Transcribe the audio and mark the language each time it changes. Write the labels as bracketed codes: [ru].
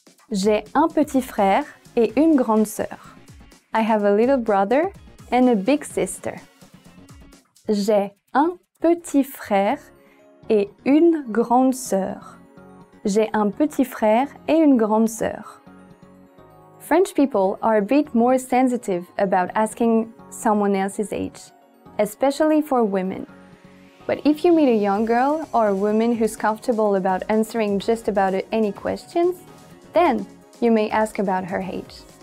[fr] J'ai un petit frère et une grande sœur. [en] I have a little brother and a big sister. [fr] J'ai un petit frère et une grande sœur. J'ai un petit frère et une grande sœur. [en] French people are a bit more sensitive about asking someone else's age, especially for women. But if you meet a young girl or a woman who's comfortable about answering just about any questions, then you may ask about her age.